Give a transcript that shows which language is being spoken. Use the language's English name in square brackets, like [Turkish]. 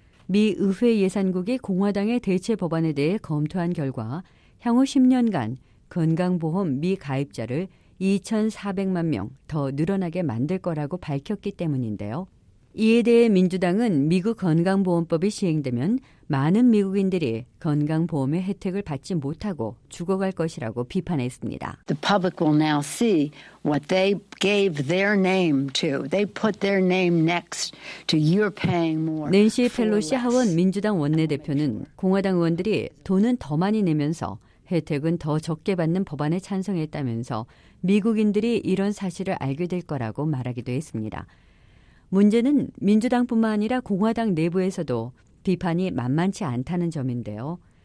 [Korean] 미 의회 예산국이 공화당의 대체 법안에 대해 검토한 결과 향후 10년간 건강보험 미 가입자를 2,400만 명 더 늘어나게 만들 거라고 밝혔기 때문인데요. 이에 대해 민주당은 미국 건강보험법이 시행되면 많은 미국인들이 건강보험의 혜택을 받지 못하고 죽어갈 것이라고 비판했습니다. [English] The public will now see what they gave their name to. They put their name next to you're paying more. [Korean] 낸시 펠로시 하원 민주당 원내대표는 공화당 의원들이 돈은 더 많이 내면서 혜택은 더 적게 받는 법안에 찬성했다면서 미국인들이 이런 사실을 알게 될 거라고 말하기도 했습니다. 문제는 민주당뿐만 아니라 공화당 내부에서도 비판이 만만치 않다는 점인데요.